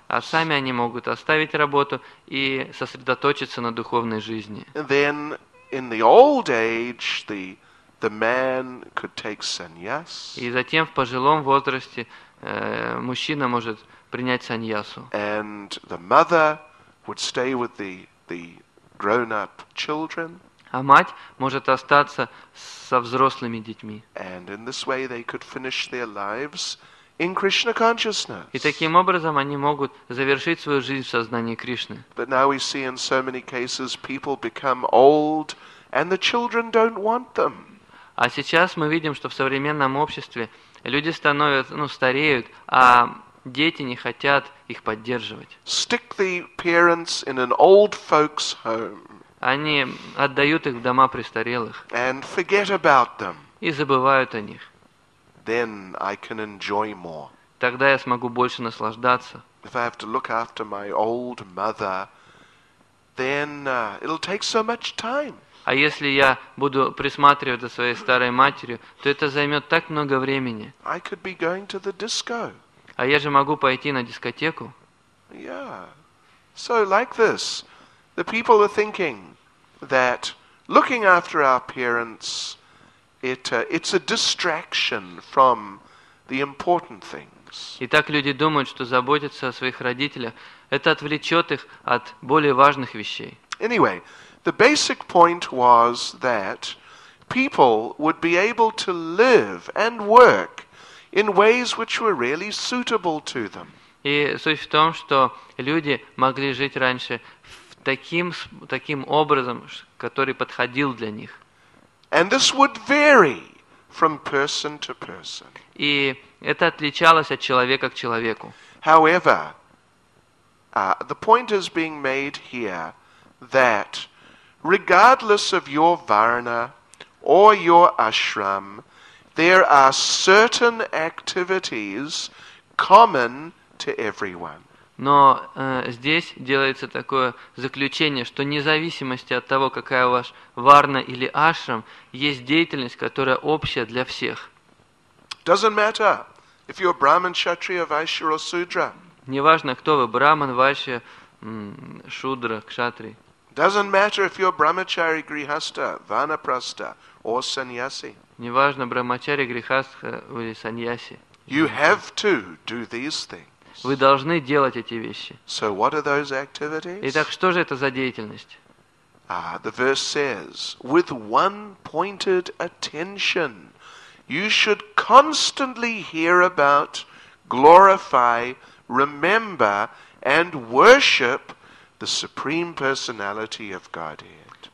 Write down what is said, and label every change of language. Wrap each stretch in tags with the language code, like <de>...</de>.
<ru>А сами они могут оставить работу и сосредоточиться на духовной жизни.</ru> <en>Then in the old age the man could take sannyas.</en> <ru>И затем в пожилом возрасте мужчина может принять саньясу.</ru> <en>And the mother would stay with the grown-up children.</en> <ru>А мать может остаться со взрослыми детьми.</ru> <en>And in this way they could finish their lives in Krishna consciousness.</en> <ru>И таким образом они могут завершить свою жизнь в сознании Кришны.</ru> <en>But now we see in so many cases people become old and the children don't want them.</en> <ru>А сейчас мы видим, что в современном обществе люди становятся, стареют, а дети не хотят их поддерживать.</ru> <en>Stick the parents in an old folks home.</en> <ru>Они отдают их в дома престарелых.</ru> <en>And forget about them.</en> <ru>И забывают о них.</ru> <en>Then I can enjoy more.</en> <ru>Тогда я смогу больше наслаждаться.</ru> <en>If I have to look after my old mother, then it'll take so much time.</en> <ru>А если я буду присматривать за своей старой матерью, то это займет так много времени.</ru> <en>I could be going to the disco.</en> <ru>А я же могу пойти на дискотеку.</ru> <en>Yeah. So like this, the people are thinking that looking after our parents, it's a distraction from the important things.</en> <ru>Итак, люди думают, что заботиться о своих родителях это отвлечет их от более важных вещей.</ru> <en>Anyway, the basic point was that people would be able to live and work in ways which were really suitable to them.</en> <ru>И суть в том, что люди могли жить раньше таким образом, который подходил для них.</ru> <en>And this would vary from person to person.</en> <ru>И это отличалось от человека к человеку.</ru> <en>However, the point is being made here that regardless of your varna or your ashram, there are certain activities common to everyone.</en> <ru>Но здесь делается такое заключение, что вне зависимости от того, какая у вас варна или ашрам, есть деятельность, которая общая для всех.</ru> <en>Doesn't matter If you're Brahman, Kshatriya, Vaishya, or Sudra.</en> <ru>Неважно, кто вы, Браман, Вайшья, Шудра, Кшатри.</ru> <en>Doesn't matter if you're Brahmachari, Grihastha, Vanaprastha, or Sannyasi.</en> <ru>Неважно, Брахмачари, Грихастха или Саньяси.</ru> <en>You have to do these things.</en> <ru>Вы должны делать эти вещи.</ru> <en>So what are those activities?</en> <ru>Итак, что же это за деятельность?</ru> <en>Ah, the verse says, with one-pointed attention, you should constantly hear about, glorify, remember and worship the Supreme Personality of Godhead.</en>